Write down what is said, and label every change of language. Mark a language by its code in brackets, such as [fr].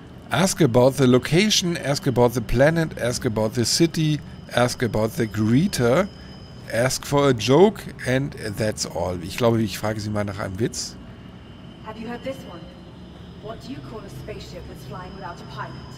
[en] Ask about the location, ask about the planet, ask about the city, ask about the greeter. Ask for a joke and that's all. [de] Ich glaube, ich frage sie mal nach einem Witz. [en] Have you heard this one? What do you call a spaceship that's flying without a pilot?